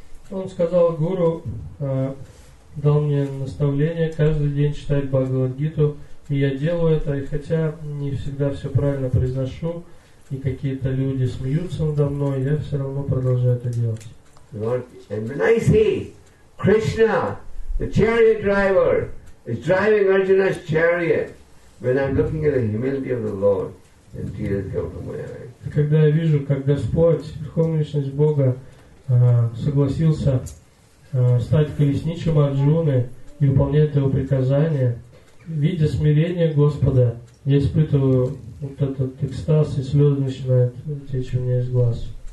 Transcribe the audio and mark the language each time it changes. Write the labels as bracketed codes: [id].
[ru] Он сказал, Гуру дал мне наставление каждый день читать Бхагавад-гиту, и я делаю это, и хотя не всегда все правильно произношу, и какие-то люди смеются надо мной, я все равно продолжаю это делать. [en] And when I see Krishna, the chariot driver, is driving Arjuna's chariot, when I'm looking at the humility of the Lord, and tears come to my eyes. [ru] Когда я вижу, как Господь, Верховность Бога, согласился стать колесничим Арджуны и выполнять его приказания, видя смирение Господа, я испытываю вот этот экстаз, и слезы начинают течь у меня из глаз.